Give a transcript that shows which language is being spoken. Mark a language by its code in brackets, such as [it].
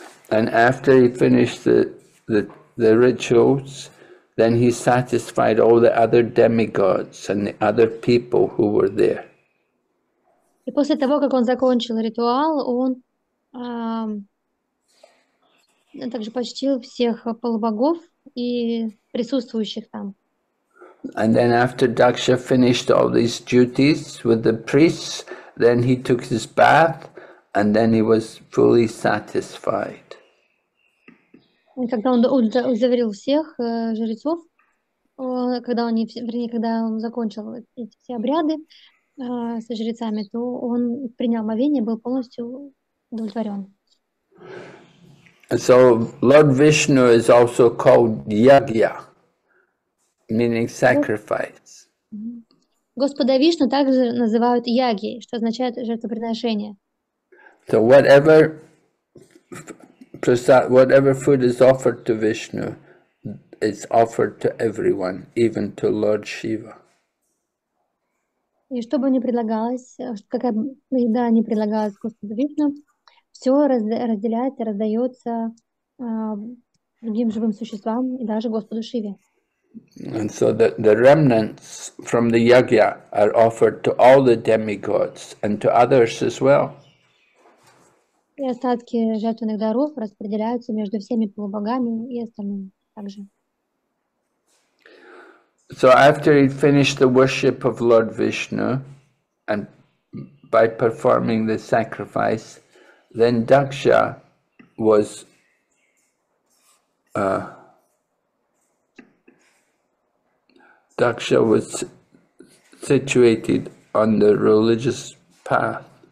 [en] And after he finished the rituals, then he satisfied all the other demigods and the other people who were there. [ru] И после того, как он закончил ритуал, он также почтил всех полубогов и присутствующих там. [en] And then after Daksha finished all these duties with the priests, then he took his bath and then he was fully satisfied. [ru] И когда он удовлетворил всех жрецов, когда они, вернее, когда он закончил эти все обряды со жрецами, то он принял омовение, был полностью удовлетворен. [en] So Lord Vishnu is also called Yagya, meaning sacrifice. [ru] Господа Вишну также называют Яги, что означает жертвоприношение. [en] So whatever food is offered to Vishnu, it's offered to everyone, even to Lord Shiva. [ru] И что бы ни предлагалось, какая бы еда ни предлагалась Господу Вишну, все разделяется, раздается другим живым существам и даже Господу Шиве. [en] And so the remnants from the yajna are offered to all the demigods and to others as well. [ru] И остатки жертвенных даров распределяются между всеми полубогами и остальными также. [en] So after he finished the worship of Lord Vishnu and by performing the sacrifice, then Daksha was Daksha was situated on the religious path.